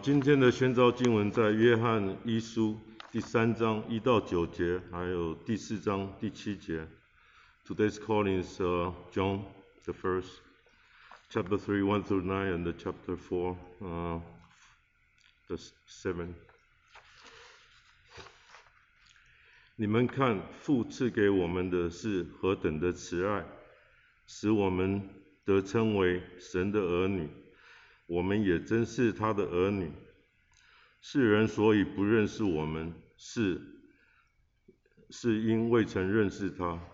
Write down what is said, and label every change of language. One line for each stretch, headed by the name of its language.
Chinese: 今天的宣召经文在约翰一书第三章一到九节，还有第四章第七节。
English: Today's calling is John the first, chapter 3, 1 through 9, and chapter 4, the 7.
Chinese: 你们看，父赐给我们的是何等的慈爱，使我们得称为神的儿女，我们也真是他的儿女。世人所以不认识我们，是因未曾认识他。